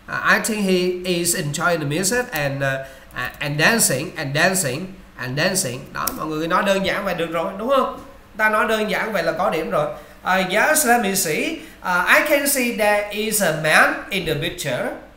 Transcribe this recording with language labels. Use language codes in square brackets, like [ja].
[en] I think he is enjoying the music and dancing. [vi] Đó, mọi người nói đơn giản vậy được rồi, đúng không? Ta nói đơn giản vậy là có điểm rồi. [en] Yes, let me see. I can see there is a man in the picture.